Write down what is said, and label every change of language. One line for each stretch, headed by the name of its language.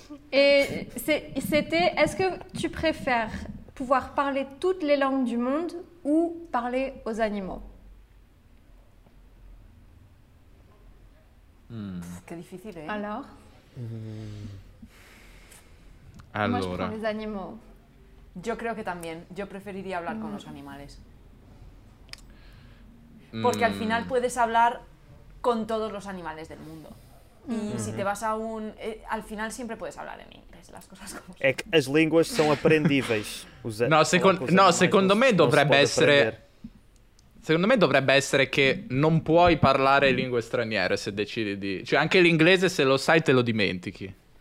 French: Et c'était, est-ce que tu préfères pouvoir parler toutes les langues du monde ou parler aux animaux. Que difficile. Alors. Alors. Moi, je prends les animaux.
Spanish: Yo creo que también. Yo preferiría hablar con los animales. Porque al final puedes hablar con todos los animales del mundo. Y si te vas a un... al final siempre puedes hablar en inglés, las cosas como son. Es que las lenguas son aprendibles.
Italian: Secondo me dovrebbe essere che non puoi parlare lingue straniere se decidi di... Cioè anche l'inglese se lo sai te lo dimentichi.